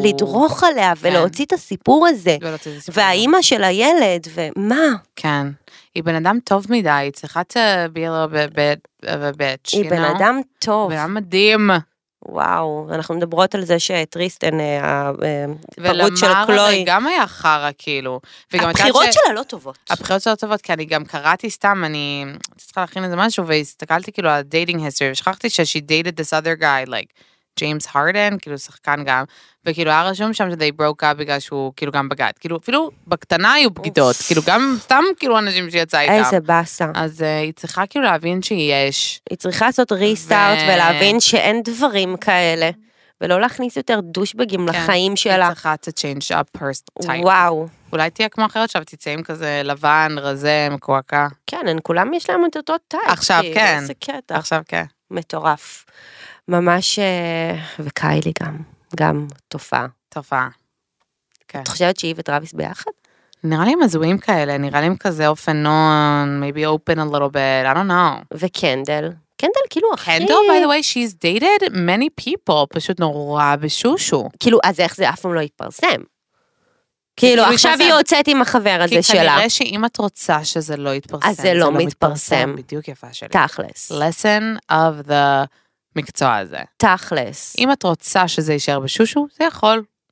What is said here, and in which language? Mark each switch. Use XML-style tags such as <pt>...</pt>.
<he>לדרוך עליה ולהוציא כן. את הסיפור הזה. ולהוציא את הסיפור. והאימא של הילד, ומה? כן. היא בן אדם טוב מדי, היא צריכה</he> <en>to be a little bit of a bitch,</en> <he>היא בן אדם טוב. והיא מדהים. וואו, אנחנו מדברות על זה שטריסטן, הפגוד של קלוי. ולמר גם היה חרה, כאילו. הבחירות שלה לא טובות. הבחירות שלה לא טובות, כי אני גם קראתי סתם, אני צריכה להכין איזה משהו, והסתכלתי כאילו על הדייטינג היסטורי, ושכחתי ש-</he> <en>she dated this other guy, like,</en> <he>ג'יימס הרדן, כאילו שחקן גם, וכאילו היה רשום שם ש-</he> <en>they broke up</en> <he>בגלל שהוא כאילו גם בגד. כאילו אפילו בקטנה היו בגידות, כאילו גם סתם כאילו אנשים שיצא איתם. איזה בסה. אז היא צריכה כאילו להבין שיש. היא צריכה לעשות ריסטארט ולהבין שאין דברים כאלה, ולא להכניס יותר דושבגים לחיים שלה. היא צריכה</he> <en>to change up her type.</en> <he>וואו. אולי תהיה כמו אחרת שם, תצא עם כזה לבן, רזה, מקועקע. כן, הן כולם יש להם את אותו טייפ. עכשיו כן. איזה קטע. עכשיו כן. מטורף. ממש, וקיילי גם. גם תופעה. תופעה. כן. את חושבת שהיא וטרוויס ביחד? נראה לי הם מזוהים כאלה, נראה לי הם כזה אופנון,</he> <en>maybe open a little bit, I don't know.</en> <he>וקנדל. קנדל כאילו אחי... קנדל,</he> <en>by the way, she's dated many people,</en> <he>פשוט נורא בשושו. כאילו, אז איך זה אף פעם לא יתפרסם? כאילו, עכשיו היא יוצאת עם החבר הזה שלה. כי כנראה שאם את רוצה שזה לא יתפרסם, אז זה לא מתפרסם. בדיוק יפה שלי. תכלס.</he> <en>Lesson of the...</en> <he>מקצוע הזה. תכלס. אם את רוצה שזה יישאר בשושו, זה יכול.</he>